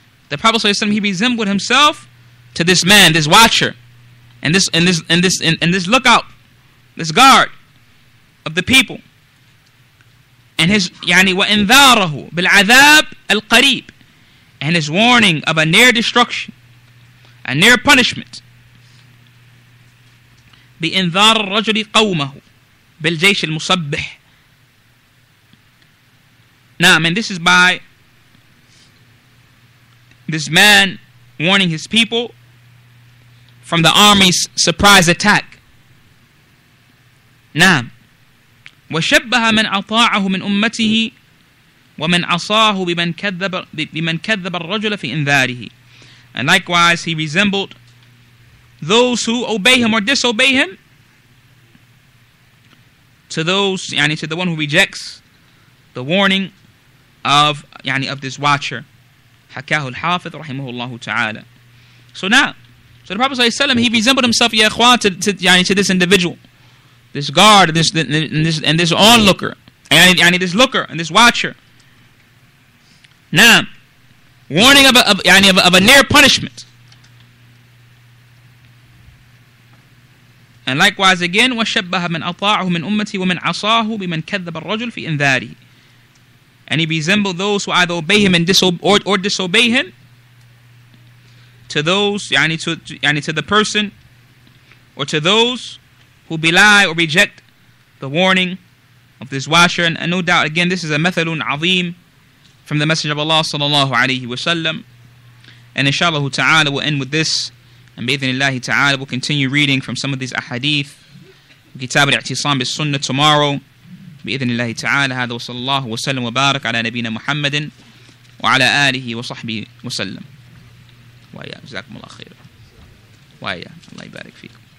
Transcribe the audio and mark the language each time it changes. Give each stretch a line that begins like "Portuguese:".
English: The Prophet sallallahu alaihi wasallam, he resembled himself to this man, this watcher, and this lookout, this guard of the people, and his
Arabic: يعني وانذاره بالعذاب القريب,
English: and his warning of a near destruction, a near punishment.
Arabic: بانذار الرجل قومه بالجيش المصبح.
English: Now, I mean, this is by this man warning his people from the army's surprise attack.
Arabic: نعم وشبه من أطاعه من أمته ومن عصاه بمن كذب الرجل في إنذاره.
English: And likewise he resembled those who obey him or disobey him to those يعني to the one who rejects the warning of يعني of this watcher.
Arabic: حكاه الحافظ رحمه الله تعالى.
English: So now, so the Prophet ﷺ, he resembled himself,
Arabic: يا إخوان,
English: to this individual, this guard, this onlooker, يعني this looker and this watcher. Now, warning of a near punishment. And likewise again,
Arabic: وشبه من أطاعه من أمتي ومن عصاه بمن كذب الرجل في إنذاره.
English: And he resembled those who either obey him and disobey him to those, to the person, or to those who belie or reject the warning of this washer. And no doubt, again, this is a mathalun azim from the Messenger of Allah sallallahu alayhi wa sallam. And inshallah ta'ala, we'll end with this. And bi'ithnillah ta'ala, we'll continue reading from some of these ahadith. Kitab al-i'tisam bis-sunnah tomorrow.
Arabic: بإذن الله تعالى هذا وصلى الله وسلم وبارك على نبينا محمد وعلى آله وصحبه وسلم ويا جزاكم الله خير ويا الله يبارك فيكم